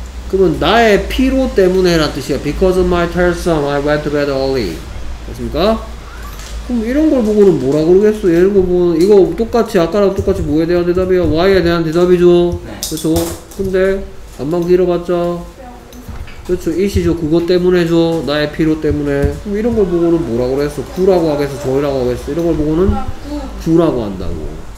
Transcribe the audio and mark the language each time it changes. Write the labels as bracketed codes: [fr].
[ko] 그러면 나의 피로 때문에란 뜻이야. [en] Because of my tiresome, I went to bed early. [ko] 됐습니까? 그럼 이런 걸 보고는 뭐라 그러겠어? 이런 거 보면 이거 똑같이 아까랑 똑같이 뭐에 대한 대답이야? Why에 대한 대답이죠. 네. 그렇죠. 근데 안만 길어봤자 그렇죠. It이죠. 그것 때문에죠. 나의 피로 때문에. 그럼 이런 걸 보고는 뭐라 그랬어? 구라고 하겠어? 저이라고 하겠어? 이런 걸 보고는 구라고 한다고.